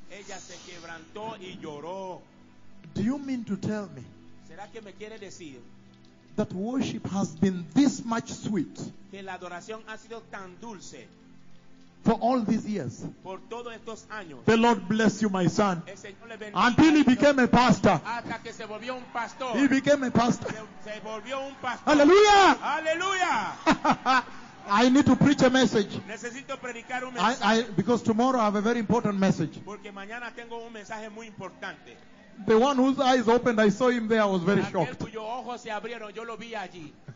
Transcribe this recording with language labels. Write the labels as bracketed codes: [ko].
[es] Ella se quebrantó y lloró. [en] Do you mean to tell me? [es] ¿Será que me quiere decir? [en] that worship has been this much sweet [es] que la adoración ha sido tan dulce [en] for all these years. [es] Por todos estos años. [en] The Lord bless you, my son. [es] El Señor le bendiga. [en] Until he became a pastor. [es] Hasta que se volvió un pastor. [en] He became a pastor. [es] Se volvió un pastor. [en] Hallelujah! [es] Hallelujah! [en] I need to preach a message. [es] Necesito predicar un mensaje. [en] Because tomorrow I have a very important message. [es] Porque mañana tengo un mensaje muy importante. [en] The one whose eyes opened, I saw him there, I was very shocked. [es] Aquel cuyo ojos se abrieron, yo lo vi allí.